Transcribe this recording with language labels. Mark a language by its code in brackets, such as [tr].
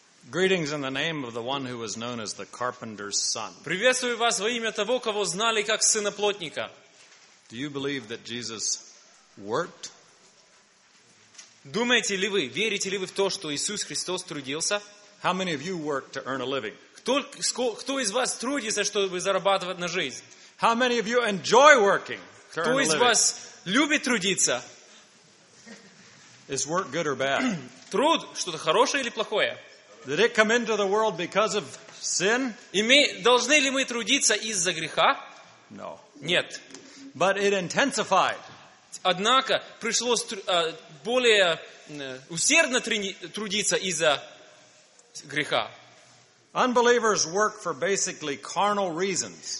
[en] Greetings in the name of the one who was known as the carpenter's son. [ru] Приветствую вас во имя того, кого знали как сына плотника. [en] Do you believe that Jesus worked? [ru] Думаете ли вы, верите ли вы в то, что Иисус Христос трудился? [en] How many of you work to earn a living? [ru] Кто из вас трудится, чтобы зарабатывать на жизнь? [en] How many of you enjoy working? [ru] Кто из вас любит трудиться? [en] Is work good or bad? [ru] Труд что-то хорошее или плохое? [en] Did it come into the world because of sin? [ru] Должны ли мы трудиться из-за греха? [en] No. [ru] Нет. [en] But it intensified. [ru] Однако пришлось более усердно трудиться из-за греха. [en] Unbelievers work for basically carnal reasons.